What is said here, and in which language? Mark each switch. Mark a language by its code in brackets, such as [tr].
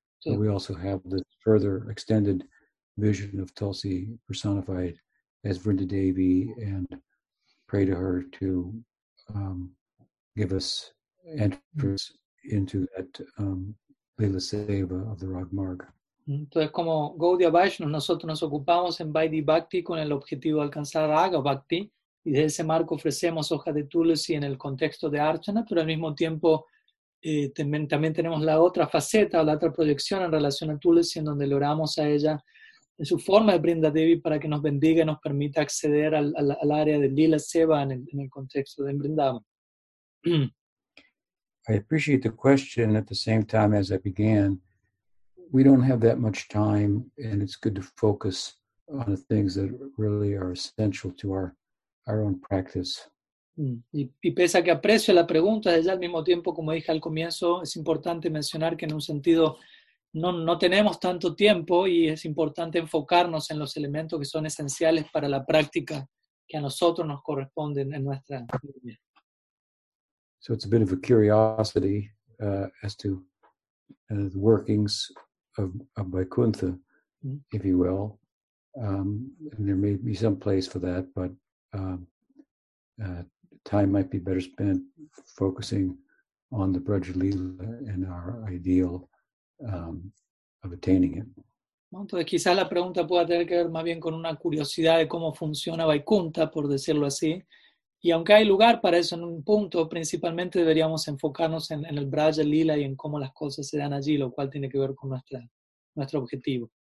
[en] So we also have the further extended vision of Tulsi personified as Vrinda Devi and pray to her to give us entrance into that Leela Seva of the Ragmarg. [es] Entonces, como Gaudiya Vaishnava, nosotros nos ocupamos en Vaidhi Bhakti con el objetivo de alcanzar Raga Bhakti, y de ese marco ofrecemos hoja de Tulsi en el contexto de Archana, pero al mismo tiempo también tenemos la otra faceta o la otra proyección en relación a Tulsi, en donde le oramos a ella en su forma de Brinda Devi para que nos bendiga y nos permita acceder al área de Lila Seva en el contexto de Vrindavan. [en] I appreciate the question at the same time as I began. We don't have that much time, and it's good to focus on the things that really are essential to our own practice. [es] Y pese a que aprecio la pregunta, desde al mismo tiempo, como dije al comienzo, es importante mencionar que en un sentido no tenemos tanto tiempo y es importante enfocarnos en los elementos que son esenciales para la práctica que a nosotros nos corresponden en nuestra vida. [en] So it's a bit of a curiosity as to the workings of Vaikuntha, if you will. And there may be some place for that, but time might be better spent focusing on the Brajalila and our ideal of attaining it. [es] Entonces, quizás la pregunta pueda tener que ver más bien con una curiosidad de cómo funciona Vaikuntha, por decirlo así. Y aunque hay lugar para eso en un punto, principalmente deberíamos enfocarnos en el Braja Lila y en cómo las cosas se dan allí, lo cual tiene que ver con nuestro objetivo.